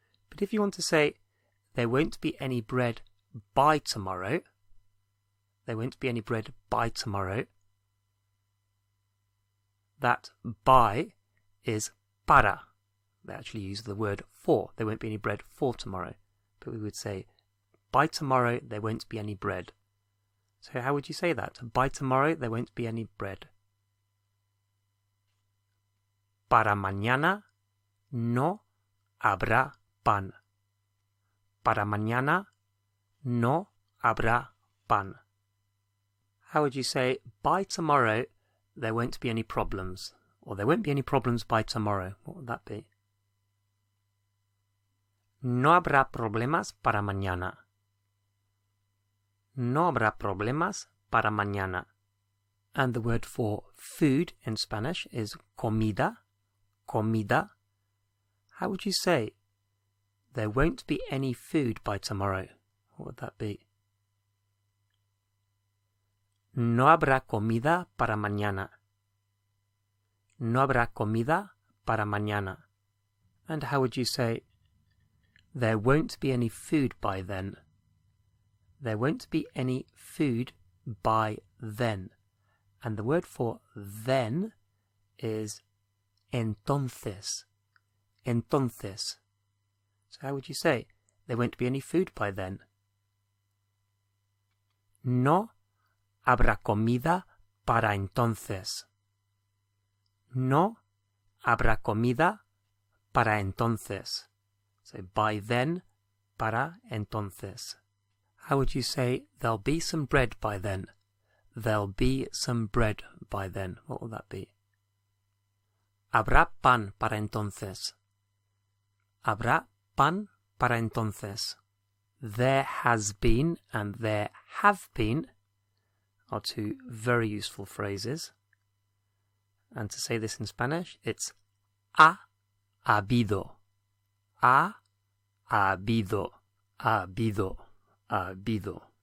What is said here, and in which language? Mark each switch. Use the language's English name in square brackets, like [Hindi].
[English] But if you want to say there won't be any bread by tomorrow, there won't be any bread by tomorrow, that by is para. They actually use the word for. There won't be any bread for tomorrow. But we would say, by tomorrow, there won't be any bread. So how would you say that? By tomorrow, there won't be any bread. [Spanish] Para mañana, no habrá pan. Para mañana, no habrá pan. [English] How would you say, by tomorrow, there won't be any problems? Or there won't be any problems by tomorrow. What would that be? [Spanish] No habrá problemas para mañana. No habrá problemas para mañana. [English] And the word for food in Spanish is comida. Comida. How would you say, there won't be any food by tomorrow? What would that be? [Spanish] No habrá comida para mañana. No habrá comida para mañana. [English] And how would you say, there won't be any food by then? There won't be any food by then. And the word for then is entonces. Entonces. So how would you say, there won't be any food by then? [Spanish] No habrá comida para entonces. No habrá comida para entonces. [English] So by then, [Spanish] para entonces. [English] How would you say, there'll be some bread by then? There'll be some bread by then. What will that be? [Spanish] Habrá pan para entonces. Habrá pan para entonces. [English] There has been and there have been are two very useful phrases. And to say this in Spanish, it's [Spanish] ha habido. Ha habido. Ha habido. Ha habido.